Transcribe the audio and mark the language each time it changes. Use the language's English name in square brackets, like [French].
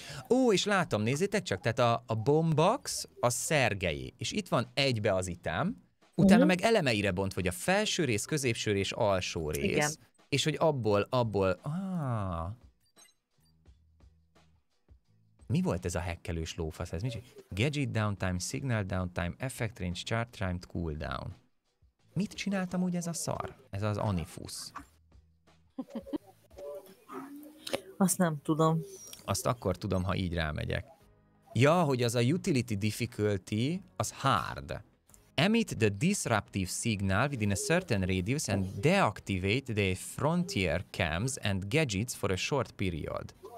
[Hungarian] Ó, és látom, nézzétek csak, tehát a bombax a szergei, és itt van egybe az item, utána meg elemeire bont, hogy a felső rész, középső rész, alsó rész, igen. És hogy abból... Mi volt ez a hackkelős lófasz? Ez mi? [English] Gadget downtime, signal downtime, effect range, chart time, cooldown. [Hungarian] Mit csináltam úgy ez a szar? Ez az anifusz. Azt nem tudom. Azt akkor tudom, ha így rámegyek. Ja, hogy az a utility difficulty, az hard. [English] Emit the disruptive signal within a certain radius and deactivate the frontier cams and gadgets for a short period.